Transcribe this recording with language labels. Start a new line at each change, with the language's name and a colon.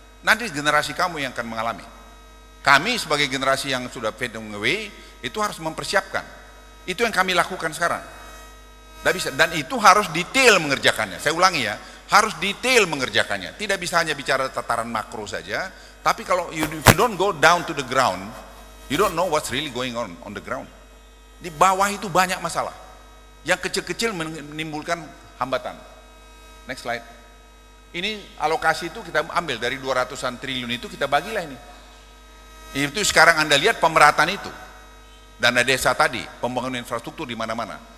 Indonesian: Nanti generasi kamu yang akan mengalami. Kami sebagai generasi yang sudah
English: fading away
Indonesian: itu harus mempersiapkan. Itu yang kami lakukan sekarang. Tidak bisa. Dan itu harus detail mengerjakannya. Saya ulangi ya, harus detail mengerjakannya. Tidak bisa hanya bicara tataran makro saja. Tapi kalau
English: you don't go down to the ground, you don't know what's really going on the ground.
Indonesian: Di bawah itu banyak masalah. Yang kecil-kecil menimbulkan hambatan.
English: Next slide.
Indonesian: Ini alokasi itu kita ambil dari 200-an triliun itu kita bagilah ini. Itu sekarang Anda lihat pemerataan itu. Dana desa tadi, pembangunan infrastruktur di mana-mana.